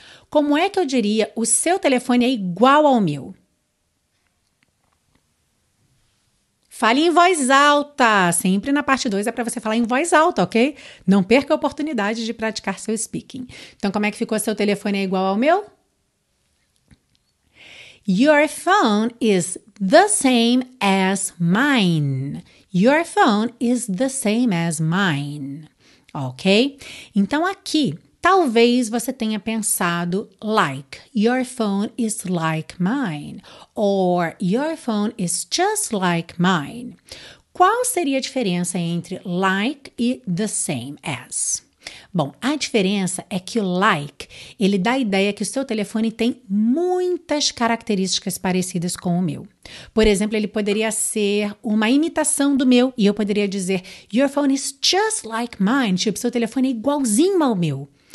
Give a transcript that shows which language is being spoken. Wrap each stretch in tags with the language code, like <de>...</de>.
<pt>como é que eu diria o seu telefone é igual ao meu? Fale em voz alta. Sempre na parte 2 é para você falar em voz alta, ok? Não perca a oportunidade de praticar seu speaking. Então, como é que ficou seu telefone é igual ao meu?</pt> <en>Your phone is the same as mine. Your phone is the same as mine. Ok?</en> <pt>Então, aqui, talvez você tenha pensado like.</pt> <en>Your phone is like mine. Or your phone is just like mine.</en> <pt>Qual seria a diferença entre like e the same as? Bom, a diferença é que o like, ele dá a ideia que o seu telefone tem muitas características parecidas com o meu. Por exemplo, ele poderia ser uma imitação do meu e eu poderia dizer</pt> <en>your phone is just like mine,</en> <pt>tipo, seu telefone é igualzinho ao meu.</pt>